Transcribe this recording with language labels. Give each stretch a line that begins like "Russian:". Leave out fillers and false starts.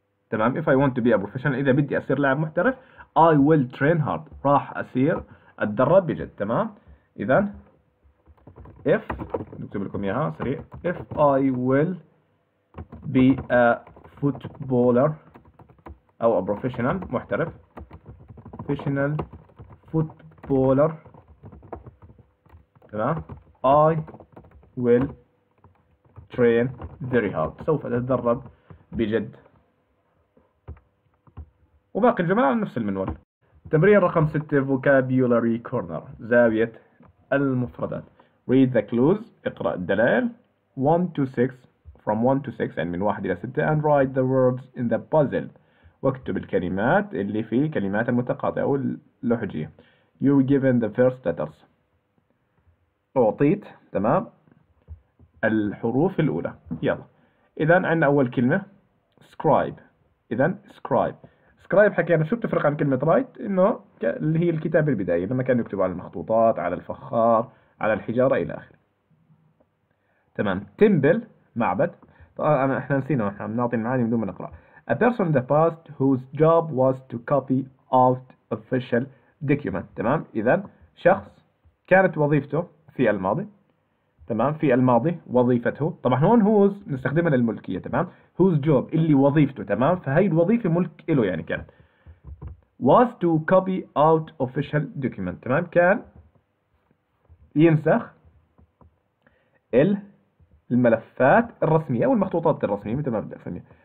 Arabic: تمام،
English: if I want to be a professional،
Arabic: إذا بدي أصير لاعب محترف،
English: I will train hard،
Arabic: راح أصير أتدرب بجد، تمام؟ إذا
English: if،
Arabic: نكتب لكم إياها سريع،
English: if I will be a footballer
Arabic: أو
English: a professional
Arabic: محترف،
English: professional footballer،
Arabic: تمام؟
English: I will train very hard،
Arabic: سوف أتدرب بجد. وباقي الجمل على نفس المنوال. تمرين رقم 6
English: vocabulary corner،
Arabic: زاوية المفردات.
English: read the clues،
Arabic: اقرأ الدلائل.
English: 1 to 6 from 1 to 6
Arabic: يعني من 1 إلى 6
English: and write the words in the puzzle،
Arabic: واكتب الكلمات اللي في كلمات المتقاطعة أو اللحجية.
English: you're given the first letters،
Arabic: أعطيت، تمام، الحروف الأولى. يلا إذا عندنا أول كلمة scribe. إذا scribe، سكرايب حكينا شو بتفرق عن كلمة رايت؟ إنه اللي هي الكتابة البدائية لما كان يكتب على المخطوطات، على الفخار، على الحجارة إلى آخره، تمام. تمبل معبد، أنا إحنا نسينا، إحنا بنعطي المعاني بدون ما نقرأ.
English: A person in the past whose job was to copy out official document،
Arabic: تمام. إذا شخص كانت وظيفته في الماضي، تمام، في الماضي وظيفته، طبعا هون هوز نستخدمها للملكية، تمام، هوز جوب اللي وظيفته، تمام، فهي الوظيفة ملك إله يعني كانت.
English: was to copy out official document،
Arabic: تمام، كان ينسخ الملفات الرسمية أو المخطوطات الرسمية مثل ما بدي أسميها.